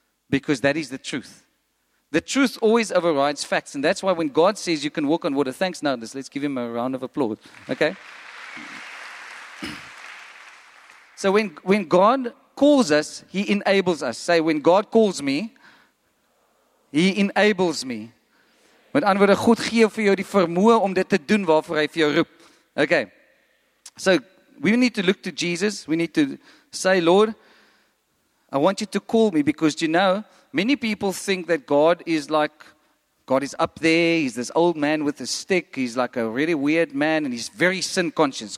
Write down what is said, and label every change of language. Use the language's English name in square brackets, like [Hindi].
[English] Because that is the truth. The truth always overrides facts. And that's why when God says you can walk on water, thanks Nardis, let's give him a round of applause. Okay? So when God calls us, he enables us. Say, when God calls me, he enables me. [Afrikaans] Met ander woorde, God gee vir jou die vermoë om dit te doen waarvoor hy vir jou roep. [English] Okay. So, we need to look to Jesus. We need to say, Lord, I want you to call me, because you know, many people think that God is like, God is up there. He's this old man with a stick. He's like a really weird man and he's very sin conscious.